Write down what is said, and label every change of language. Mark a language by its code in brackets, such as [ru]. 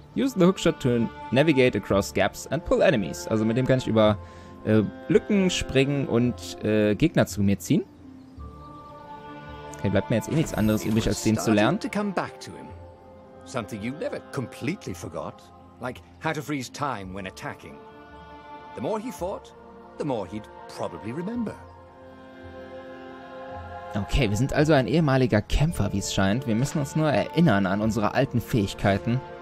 [en] Use the Hookshot to navigate across gaps and pull enemies. [de] Also mit dem kann ich über Lücken springen und Gegner zu mir ziehen. Okay, bleibt mir jetzt eh nichts anderes übrig, als den zu lernen. [en] To come back to him. Something you never completely forgot. Like how to freeze time when attacking. The more he fought, the more he'd probably remember. [de] Okay, wir sind also ein ehemaliger Kämpfer, wie es scheint. Wir müssen uns nur erinnern an unsere alten Fähigkeiten.